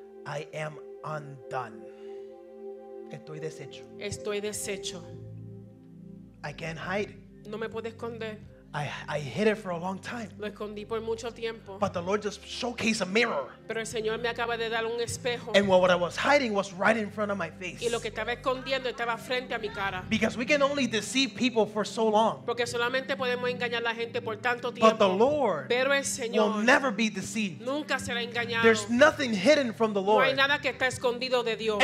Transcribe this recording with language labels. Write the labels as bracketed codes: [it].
[en] I am undone. [es] Estoy deshecho. Estoy deshecho. [en] I can't hide. [es] No me puedo esconder. [en] I hid it for a long time. [es] Lo escondí por mucho tiempo. [en] But the Lord just showcased a mirror. [es] Pero el Señor me acaba de dar un espejo. [en] And what I was hiding was right in front of my face. [es] Y lo que estaba escondiendo estaba frente a mi cara. [en] Because we can only deceive people for so long. [es] Porque solamente podemos engañar a la gente por tanto tiempo. [en] But the Lord, [es] pero el Señor, [en] will never be deceived. [es] Nunca será engañado. [en] There's nothing hidden from the Lord. [es] No hay nada que está escondido de Dios.